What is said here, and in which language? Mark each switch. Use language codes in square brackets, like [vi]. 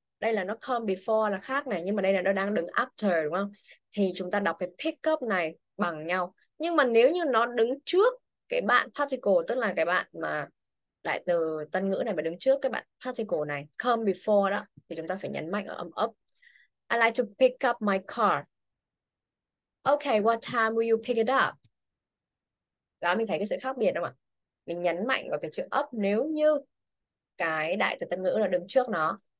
[vi] Đây là nó come before là khác này, nhưng mà đây là nó đang đứng after đúng không? Thì chúng ta đọc cái pick up này bằng nhau. Nhưng mà nếu như nó đứng trước cái bạn particle, tức là cái bạn mà đại từ Tân ngữ này mà đứng trước cái bạn particle này come before đó, thì chúng ta phải nhấn mạnh ở âm up. [en] I like to pick up my car. Okay, what time will you pick it up? [vi] Đó, mình thấy cái sự khác biệt đúng không ạ? Mình nhấn mạnh vào cái chữ up nếu như cái đại từ Tân ngữ là đứng trước nó.